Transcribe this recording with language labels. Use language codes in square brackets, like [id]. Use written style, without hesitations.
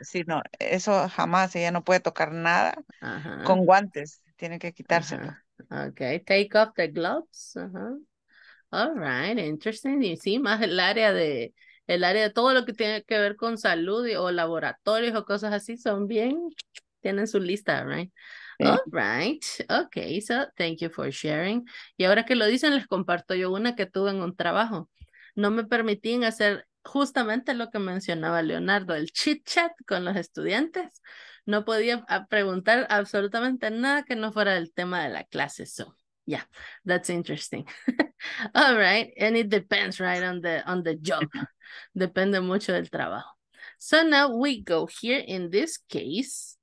[es] Sí, no, eso jamás. Ella no puede tocar nada ajá. con guantes. Tiene que quitárselo. [en] Ajá. Okay, take off the gloves. Ajá. All right, interesting. [es] Y sí, más el área de todo lo que tiene que ver con salud o laboratorios o cosas así son bien... Tienen su lista, right? [en] All right, okay, so thank you for sharing. [es] Y ahora que lo dicen, les comparto yo una que tuve en un trabajo. No me permitían hacer justamente lo que mencionaba Leonardo, el chit-chat con los estudiantes. No podía preguntar absolutamente nada que no fuera del tema de la clase. [en] So, yeah, that's interesting. All right, and it depends, right, on the job. [es] Depende mucho del trabajo. [en] So now we go here in this case.